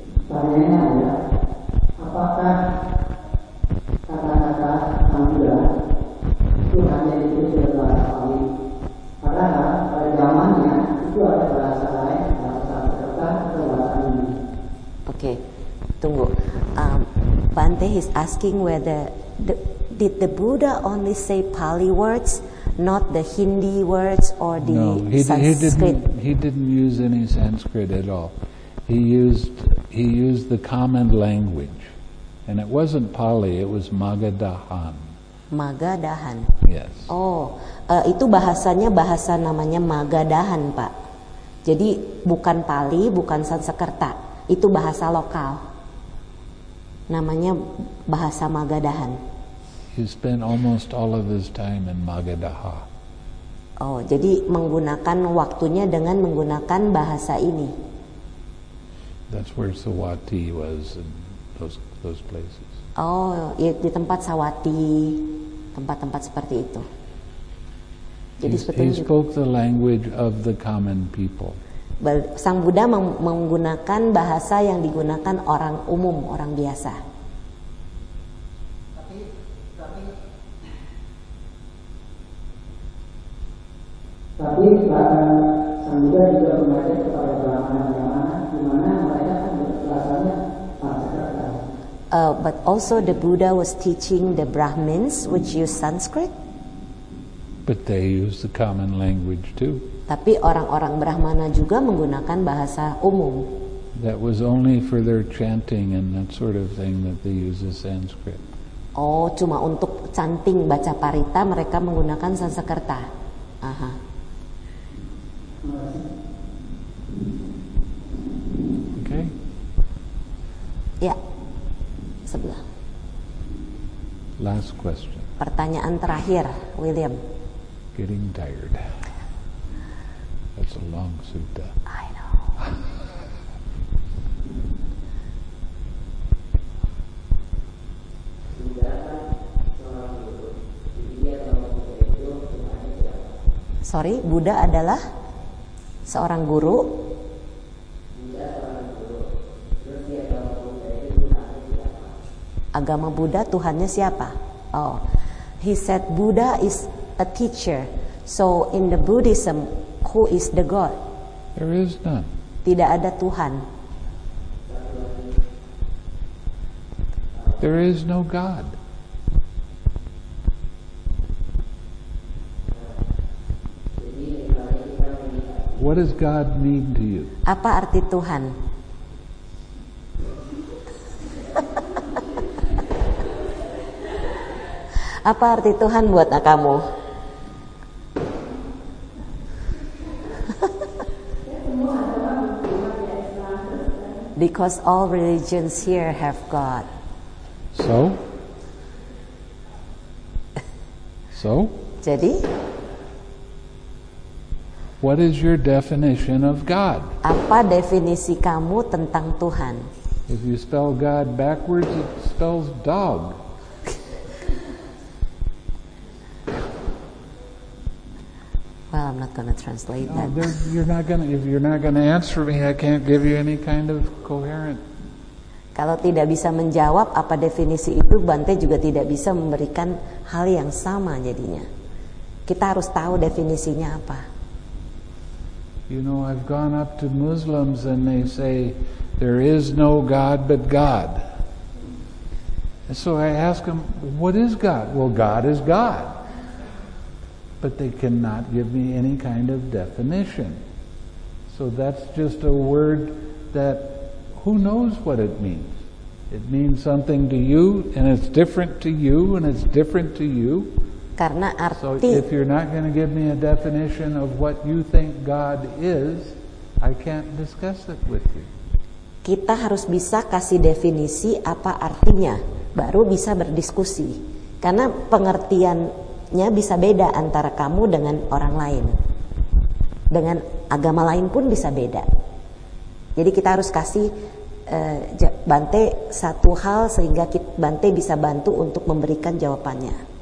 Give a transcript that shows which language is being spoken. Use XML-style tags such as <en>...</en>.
<id>Pertanyaannya adalah, apakah kata-kata Sangha itu hanya itu dalam bahasa Pali? Karena pada zamannya itu ada bahasa lain, bahasa Jawa atau bahasa Inggris. Oke, tunggu.</id> <en>Bante is asking whether did the Buddha only say Pali words, not the Hindi words or the no, Sanskrit? He didn't use any Sanskrit at all. He used the common language, and it wasn't Pali. It was Magadhan. Magadahan. Yes.</en> <id>Itu bahasanya bahasa namanya Magadahan, Pak. Jadi bukan Pali, bukan Sanskerta. Itu bahasa lokal. Namanya bahasa Magadahan.</id> <en>He spent almost all of his time in Magadha.</en> <id>Oh, jadi menggunakan waktunya dengan menggunakan bahasa ini.</id> <en>That's where Sawati was in those places.</en> <id>Di tempat Sawati, tempat-tempat seperti itu. Jadi seperti</id> <en>he spoke the language of the common people.</en> <id>Sang Buddha menggunakan bahasa yang digunakan orang umum, orang biasa. Tapi Sang Buddha juga mengajak kepada Brahmana yang mana, di mana mereka bahasanya Sanskerta.</id> <en>But also the Buddha was teaching the Brahmins, which use Sanskrit. But they use the common language too.</en> <id>Tapi orang-orang Brahmana juga menggunakan bahasa umum.</id> <en>That was only for their chanting and that sort of thing that they use the Sanskrit.</en> <id>Oh, cuma untuk chanting, baca parita, mereka menggunakan Sanskerta. Aha.</id> <en>Okay.</en> <id>Ya. Sebelah.</id> <en>Last question.</en> <id>Pertanyaan terakhir, William.</id> <en>Getting tired. That's a long sutta. I know.</en> <id>Sorry, Buddha adalah seorang guru. Agama Buddha, Tuhannya siapa?</id> <en>Oh, he said Buddha is a teacher. So in the Buddhism, who is the God? There is none.</en> <id>Tidak ada Tuhan.</id> <en>There is no God. What does God mean to you?</en> <id>Apa arti Tuhan? Apa arti Tuhan buat kamu?</id> <en>Because all religions here have God. So? So?</en> <id>Jadi?</id> <en>What is your definition of God?</en> <id>Apa definisi kamu tentang Tuhan?</id> <en>If you spell God backwards, it spells dog. Well, I'm not going to translate that. If you're not going to answer me, I can't give you any kind of coherent.</en> <id>Kalau tidak bisa menjawab apa definisi itu, Bante juga tidak bisa memberikan hal yang sama jadinya. Kita harus tahu definisinya apa.</id> <en>You know, I've gone up to Muslims and they say there is no God but God. So I ask them, what is God? Well, God is God. But they cannot give me any kind of definition. So that's just a word that who knows what it means. It means something to you and it's different to you and it's different to you.</en> <id>Karena arti,</id> <en>so if you're not going to give me a definition of what you think God is, I can't discuss it with you.</en> <id>Kita harus bisa kasih definisi apa artinya, baru bisa berdiskusi. Karena pengertiannya bisa beda antara kamu dengan orang lain. Dengan agama lain pun bisa beda. Jadi kita harus kasih Bante satu hal sehingga Bante bisa bantu untuk memberikan jawabannya.</id>